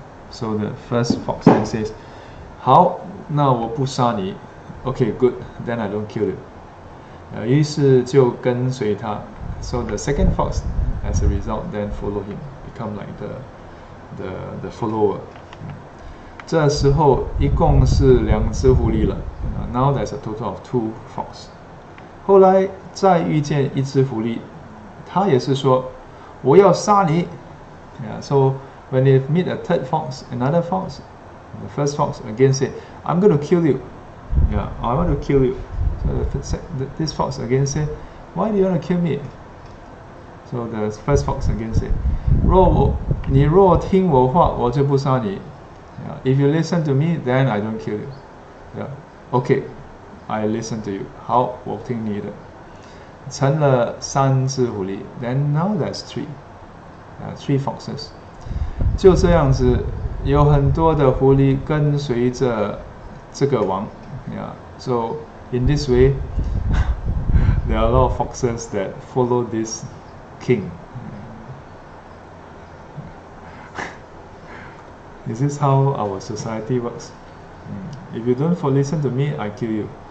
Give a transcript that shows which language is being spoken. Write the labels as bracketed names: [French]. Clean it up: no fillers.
[English] So the first fox then says, [Chinese] 好，那我不杀你。 [English] Okay, good, then I don't kill you. [Chinese] 于是就跟随他。 [English] So the second fox, as a result, then follow him, become like the follower. [Chinese] 这时候一共是两只狐狸了。 [English] Now there's a total of two fox. [Chinese] 后来再遇见一只狐狸，他也是说，我要杀你。 [English] So,when they meet a third fox, another fox, the first fox again said, I'm going to kill you. Yeah, I want to kill you. So this fox again said, why do you want to kill me? So the first fox again said, [Chinese] 你若听我话，我就不杀你。 [English] Yeah, if you listen to me, then I don't kill you. Yeah, okay, I listen to you. [Chinese] 好，我听你的。成了三只狐狸。 [English] Then now there's three. Three foxes. [Chinese] 就这样子，有很多的狐狸跟随着这个王。 [English] Yeah. So, in this way, there are a lot of foxes that follow this king. Is this how our society works? If you don't listen to me, I kill you.